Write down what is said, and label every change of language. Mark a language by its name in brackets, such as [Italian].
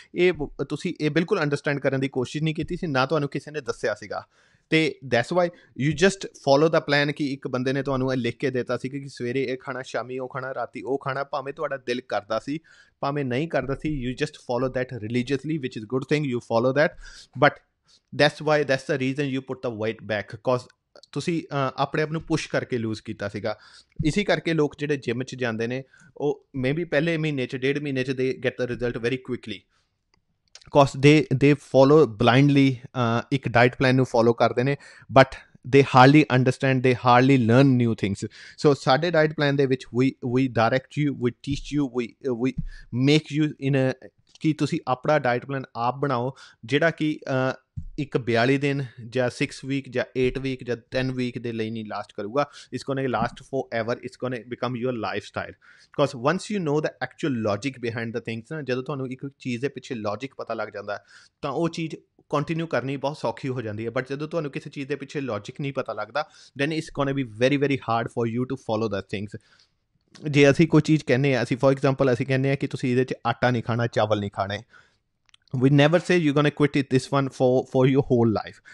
[Punjabi] ਇਹ ਤੁਸੀਂ ਇਹ ਬਿਲਕੁਲ ਅੰਡਰਸਟੈਂਡ ਕਰਨ ਦੀ ਕੋਸ਼ਿਸ਼ ਨਹੀਂ ਕੀਤੀ ਸੀ, ਨਾ ਤੁਹਾਨੂੰ ਕਿਸੇ ਨੇ ਦੱਸਿਆ ਸੀਗਾ, ਅਤੇ [English] that's why you just follow the plan [Punjabi] ਕਿ ਇੱਕ ਬੰਦੇ ਨੇ ਤੁਹਾਨੂੰ ਇਹ ਲਿਖ ਕੇ ਦਿੱਤਾ ਸੀ ਕਿ ਸਵੇਰੇ ਇਹ ਖਾਣਾ, ਸ਼ਾਮੀ ਉਹ ਖਾਣਾ, ਰਾਤੀ ਉਹ ਖਾਣਾ, ਭਾਵੇਂ ਤੁਹਾਡਾ ਦਿਲ ਕਰਦਾ ਸੀ ਭਾਵੇਂ ਨਹੀਂ ਕਰਦਾ ਸੀ, [English] you just follow that religiously, which is good thing you follow that, but that's why that's a reason you put the weight back, because [Punjabi] ਤੁਸੀਂ ਆਪਣੇ ਆਪ ਨੂੰ ਪੁਸ਼ ਕਰਕੇ ਲੂਜ਼ ਕੀਤਾ ਸੀਗਾ। ਇਸੀ ਕਰਕੇ ਲੋਕ ਜਿਹੜੇ ਜਿਮ 'ਚ ਜਾਂਦੇ ਨੇ, ਉਹ [English] maybe [Punjabi] ਪਹਿਲੇ ਮਹੀਨੇ 'ਚ, ਡੇਢ ਮਹੀਨੇ 'ਚ [English] they get the result very quickly, because they follow blindly [Punjabi] ਇੱਕ ਡਾਇਟ ਪਲਾਨ ਨੂੰ follow [English] they hardly understand, they hardly learn new things. [Punjabi] So saade diet plan de vich [English] we direct you, we teach you, we make you in a [Punjabi] ki tusi apna diet plan aap banao jehda ki ਇੱਕ 42 ਦਿਨ ਜਾਂ 6 week ਜਾਂ 8 week ਜਾਂ 10 week ਦੇ ਲਈ ਨਹੀਂ last ਕਰੂਗਾ, [English] Is gonna last forever, is gonna become your lifestyle. Because once you know the actual logic behind the things [Punjabi] ਨਾ, ਜਦੋਂ ਤੁਹਾਨੂੰ ਇੱਕ ਚੀਜ਼ ਦੇ ਪਿੱਛੇ ਲੋਜਿਕ ਪਤਾ ਲੱਗ ਜਾਂਦਾ ਤਾਂ ਉਹ ਚੀਜ਼ ਕੰਟੀਨਿਊ ਕਰਨੀ ਬਹੁਤ ਸੌਖੀ ਹੋ ਜਾਂਦੀ ਹੈ। [English] but [Punjabi] ਜਦੋਂ ਤੁਹਾਨੂੰ ਕਿਸੇ ਚੀਜ਼ ਦੇ ਪਿੱਛੇ ਲੋਜਿਕ ਨਹੀਂ ਪਤਾ ਲੱਗਦਾ, [English] Then is gonna be very very hard for you to follow the things. [Punjabi] ਜੇ ਅਸੀਂ ਕੋਈ ਚੀਜ਼ ਕਹਿੰਦੇ ਹਾਂ, ਅਸੀਂ [English] for example [Punjabi] ਅਸੀਂ ਕਹਿੰਦੇ ਹਾਂ ਕਿ ਤੁਸੀਂ ਇਹਦੇ 'ਚ ਆਟਾ ਨਹੀਂ ਖਾਣਾ, ਚਾਵਲ ਨਹੀਂ ਖਾਣੇ, [English] we never say you're going to quit it, this one for your whole life.